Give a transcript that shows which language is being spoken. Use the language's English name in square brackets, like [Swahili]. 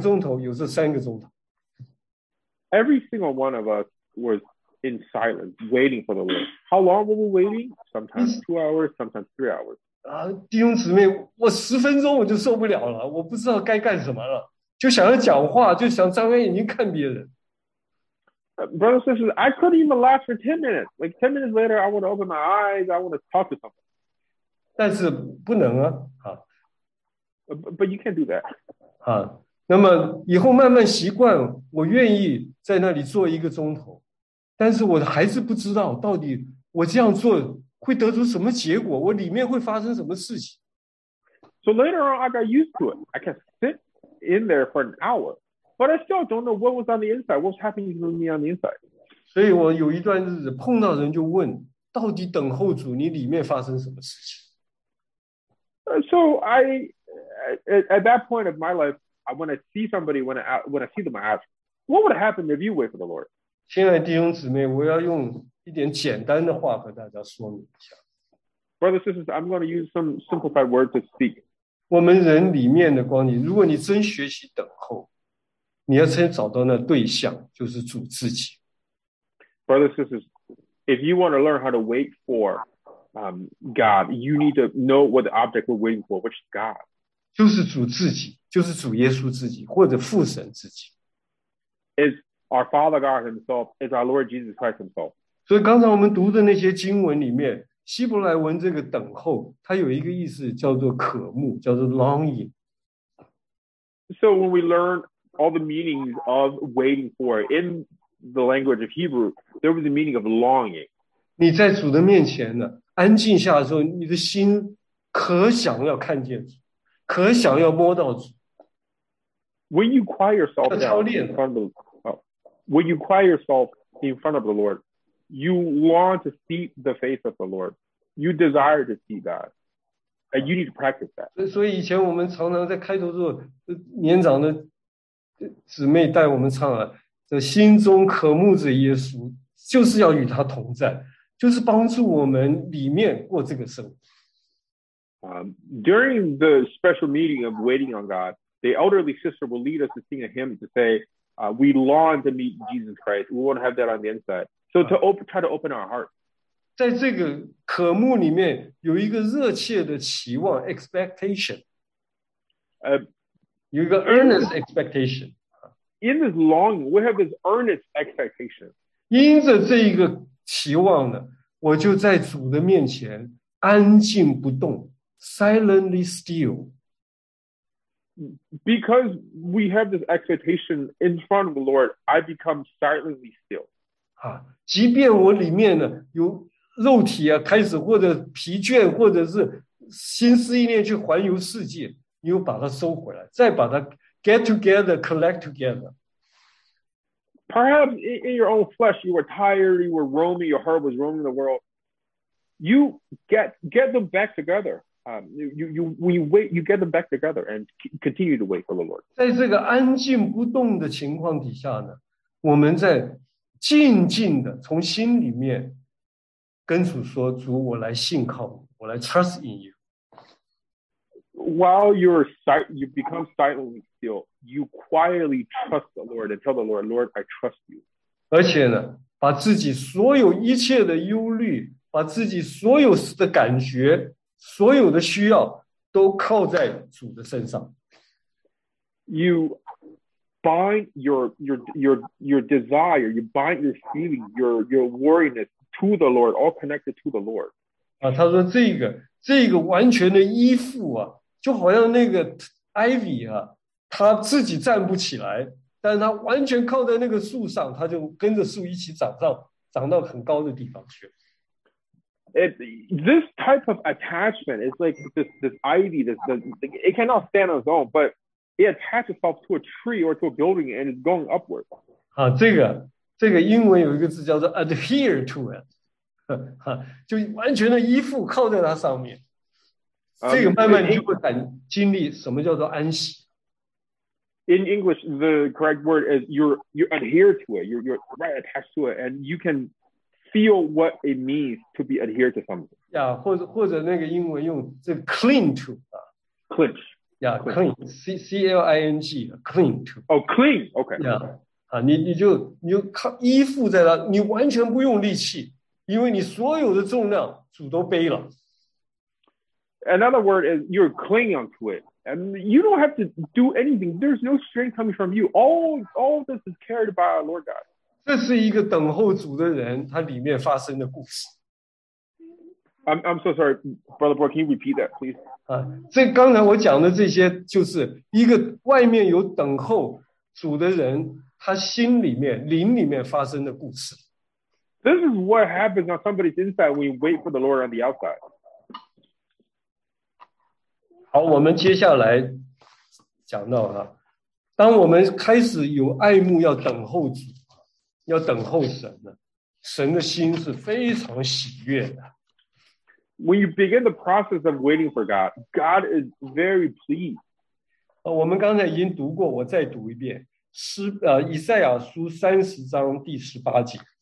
[Chinese] 每个人都坐在那里闭着眼睛，大家都等候了，都不走了。那个安静多久呢？有时候两个钟头，有时候三个钟头。 [English] Every single one of us was in silence, waiting for the Lord. How long were we waiting? Sometimes 2 hours, sometimes 3 hours. [Chinese] 弟兄姊妹，我十分钟我就受不了了，我不知道该干什么了，就想要讲话，就想张开眼睛看别人。 [English] Brothers and sisters, I couldn't even last for 10 minutes. Like 10 minutes later, I want to open my eyes, I want to talk to someone. [Chinese] 但是不能啊。 [English] But you can't do that. [Chinese] 那么以后慢慢习惯，我愿意在那里坐一个钟头。但是我还是不知道到底我这样做会得出什么结果，我里面会发生什么事情。 [English] So later on, I got used to it. I can sit in there for an hour, but I still don't know what was on the inside. What's happening to me on the inside? [Chinese] 所以我有一段日子碰到人就问，到底等候主，你里面发生什么事情？ [English] So I at that point of my life, when I see somebody, when I see them, I ask, what would happen if you wait for the Lord? [Chinese] 亲爱的弟兄姊妹，我要用一点简单的话和大家说明一下。 [English] Brothers and sisters, I'm going to use some simplified words to speak. [Chinese] 我们人里面的光景，如果你真学习等候，你要先找到那对象，就是主自己。 [English] Brothers and sisters, if you want to learn how to wait for God, you need to know what the object we're waiting for, which is God. [Chinese] 就是主自己，就是主耶稣自己，或者父神自己。 [English] Is our Father God Himself, is our Lord Jesus Christ Himself. [Chinese] 所以刚才我们读的那些经文里面，希伯来文这个等候，它有一个意思叫做渴慕，叫做 longing. [English] So when we learn all the meanings of waiting for in the language of Hebrew, there was a meaning of longing. [Chinese] 你在主的面前呢，安静下的时候，你的心可想要看见主，可想要摸到主。 [English] When you quiet yourself down in front of when you quiet yourself in front of the Lord, you long to see the face of the Lord. You desire to see God. And you need to practice that. [Chinese] 所以以前我们常常在开头做年长的姊妹带我们唱了，心中渴慕着耶稣，就是要与他同在，就是帮助我们里面过这个生活。 [English] During the special meeting of waiting on God, the elderly sister will lead us to sing a hymn to say, we long to meet Jesus Christ. We want to have that on the inside. So to try to open our heart. [Chinese] 在这个渴慕里面有一个热切的期望 expectation. 有一个 [English] earnest expectation. In this longing, we have this earnest expectation. [Chinese] 因着这一个期望呢，我就在主的面前安静不动 [English] silently still. Because we have this expectation in front of the Lord, I become silently still. [Chinese] 啊，即便我里面呢有肉体啊，开始或者疲倦，或者是心思意念去环游世界，你又把它收回来，再把它 [English] get together, collect together. Perhaps in your own flesh, you were tired, you were roaming, your heart was roaming the world. You get them back together. You get them back together and continue to wait for the Lord. [Chinese] 在这个安静不动的情况底下呢，我们在静静的从心里面跟主说：“主，我来信靠你，我来 [English] trust in you。” While you're you become silently still, you quietly trust the Lord and tell the Lord, "Lord, I trust you." [Chinese] 而且呢，把自己所有一切的忧虑，把自己所有的感觉。所有的需要都靠在主的身上。 [English] You bind your desire, you bind your feeling, your worryness to the Lord, all connected to the Lord. [Chinese] 啊，他说这个完全的依附啊，就好像那个 ivy 啊，他自己站不起来，但是他完全靠在那个树上，他就跟着树一起长到很高的地方去。 [English] This type of attachment is like this ivy. This it cannot stand on its own, but it attaches itself to a tree or to a building and is going upward. [Chinese] 啊，这个英文有一个字叫做 [English] adhere to it， [Chinese] 就完全的依附靠在它上面。这个慢慢你就会感经历什么叫做安息。 [English] In English, the correct word is you adhere to it. You're right attached to it, and you can. Feel what it means to be adhered to something. Yeah, [Chinese] 或者那个英文用这 [English] cling to. Cling. Yeah, cling. C-L-I-N-G. Cling to. Oh, cling. Okay. Yeah. [Chinese] 你就依附在它，你完全不用力气，因为你所有的重量主都背了。 [English] Another word is you're clinging to it. And you don't have to do anything. There's no strength coming from you. All this is carried by our Lord God. [Chinese] 这是一个等候主的人，他里面发生的故事。 [English] I'm so sorry, Brother Boy. Can you repeat that, please? [Chinese] 啊，这刚才我讲的这些，就是一个外面有等候主的人，他心里面、灵里面发生的故事。 [English] This is what happens on somebody's inside when you wait for the Lord on the outside. [Chinese] 好，我们接下来讲到哈，当我们开始有爱慕，要等候主。要等候神的，神的心是非常喜悦的。 [English] When you begin the process of waiting for God, God is very pleased. [Chinese] 我们刚才已经读过，我再读一遍，以赛亚书三十章第十八节。